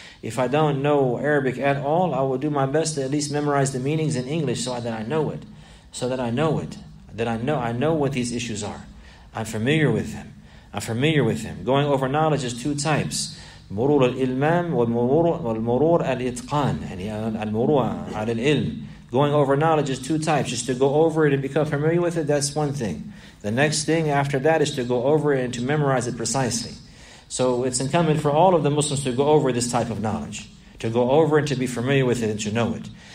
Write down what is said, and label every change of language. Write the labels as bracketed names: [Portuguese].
[English] If I don't know Arabic at all, I will do my best to at least memorize the meanings in English so that I know it. So that I know it. That I know what these issues are. I'm familiar with them. I'm familiar with them. Going over knowledge is two types. [Arabic] مرور الإلمام والمرور الإتقان. يعني المرور على العلم. [English] Going over knowledge is two types. Just to go over it and become familiar with it, that's one thing. The next thing after that is to go over it and to memorize it precisely. So it's incumbent for all of the Muslims to go over this type of knowledge, to go over and to be familiar with it and to know it.